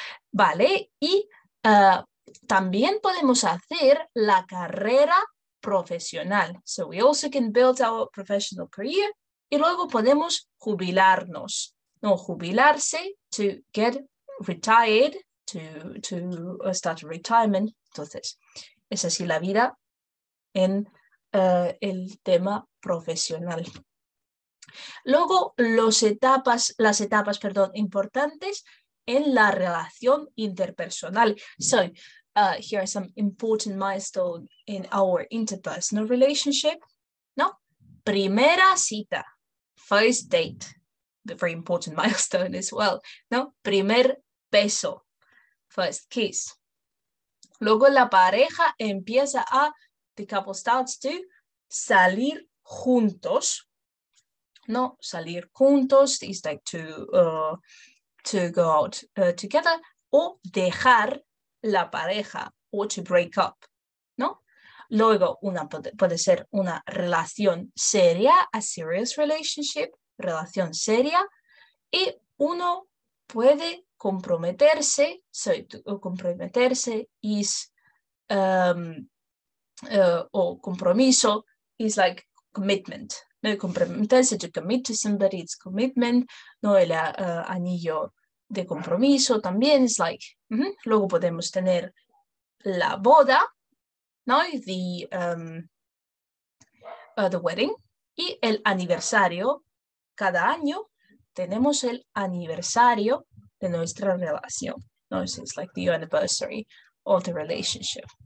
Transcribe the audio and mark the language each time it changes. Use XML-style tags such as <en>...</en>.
<es>Vale, y también podemos hacer la carrera profesional.</es> <en>So we also can build our professional career.</en> <es>Y luego podemos jubilarnos. No, jubilarse,</es> <en>to get retired, to start retirement.</en> <es>Entonces, es así la vida en el tema profesional. Luego, las etapas importantes en la relación interpersonal.</es> <en>So, here are some important milestones in our interpersonal relationship.</en> <es>No, primera cita,</es> <en>first date, the very important milestone as well.</en> <es>No, primer beso,</es> <en>first kiss.</en> <es>Luego la pareja empieza a,</es> <en>the couple starts to,</en> <es>salir juntos. No, salir juntos</es> <en>is like to go out together,</en> <es>o dejar la pareja, o</es> <en>to break up, ¿no?</en> <es>Luego, una puede ser una relación seria,</es> <en>a serious relationship,</en> <es>relación seria, y uno puede comprometerse,</es> <en>so comprometerse is,</en> <es>o compromiso</es> <en>is like commitment, No comprometerse, to commit to somebody, it's commitment.</en> <es>No, el anillo de compromiso también es like. Mm-hmm. Luego podemos tener la boda, no,</es> <en>the wedding,</en> <es>y el aniversario. Cada año tenemos el aniversario de nuestra relación.</es> <en>No, so it's like the anniversary of the relationship.</en>